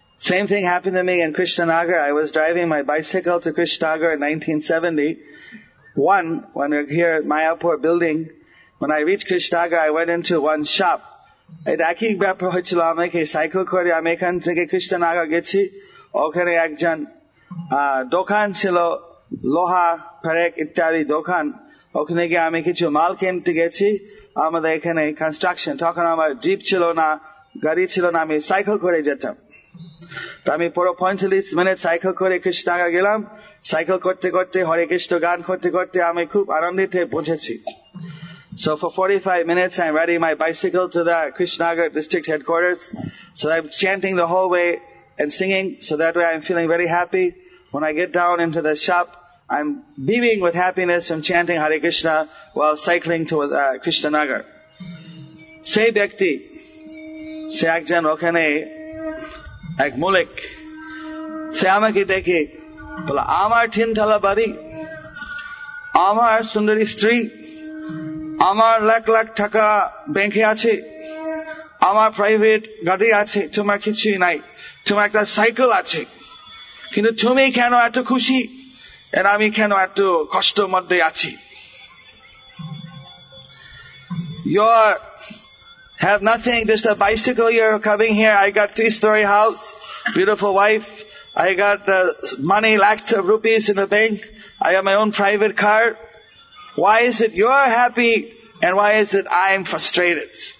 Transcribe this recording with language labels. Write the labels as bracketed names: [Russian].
[English] Same thing happened to me in Krishnanagar. I was driving my bicycle to Krishnanagar in 1971 when we were here at Mayapur building. When I reached Krishnanagar, I went into one shop. [Bangla] একই ব্যাপার হয়েছিল আমাকে, cycle করে আমি এখান থেকে কৃষ্ণনগর গেছি, ওখানে একজন দোকান ছিল, লোহা ফেরেক ইত্যাদি দোকান, ওখানে গিয়ে আমি কিছু মাল কিনতে গেছি, আমাদের এখানে কনস্ট্রাকশন, তখন আমার জিপ ছিল না, গাড়ি ছিল না, আমি সাইকেল করে যেতাম। তো আমি পুরো 45 মিনিট সাইকেল করে কৃষ্ণনগর গেলাম, সাইকেল করতে করতে হরে কৃষ্ণ গান করতে করতে আমি খুব আনন্দিত পৌঁছেছি। [English] So for 45 minutes, I'm riding my bicycle to the Krishnanagar district headquarters. So I'm chanting the whole way and singing. So that way I'm feeling very happy. When I get down into the shop, I'm beaming with happiness from chanting Hare Krishna while cycling to Krishnanagar. [Bangla] Sei byakti, sei ekjon okhane ek mulik, sei amake dekhe bola, amar tin thala bari, amar sundari stri, আমার লাখ লাখ টাকা ব্যাংকে আছে, আমার private গাড়ি আছে, তোমার কিছুই নাই, তোমার একটা সাইকেল আছে, কিন্তু তুমি কেন এত খুশি, আমি কেন এত কষ্টের মধ্যে আছি? [English] You are, have nothing, just a bicycle, you're coming here, I got 3-story house, beautiful wife, I got money, lakhs of rupees in the bank, I have my own private car. Why is it you are happy and why is it I am frustrated?